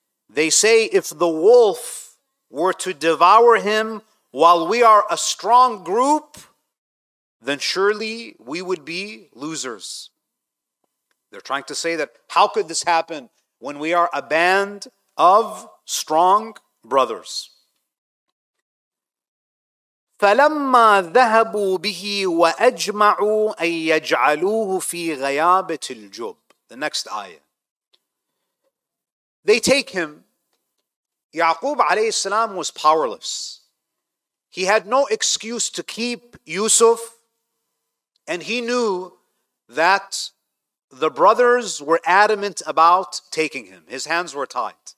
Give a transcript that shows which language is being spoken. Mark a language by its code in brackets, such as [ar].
[en] They say, if the wolf were to devour him while we are a strong group, then surely we would be losers. They're trying to say that, how could this happen when we are a band of strong brothers? [ar] فَلَمَّا ذَهَبُوا بِهِ وَأَجْمَعُوا أَن يَجْعَلُوهُ فِي غَيَابَةِ الْجُبِّ. The next ayah. [en] They take him. Yaqub alayhi salam was powerless. He had no excuse to keep Yusuf, and he knew that the brothers were adamant about taking him. His hands were tied.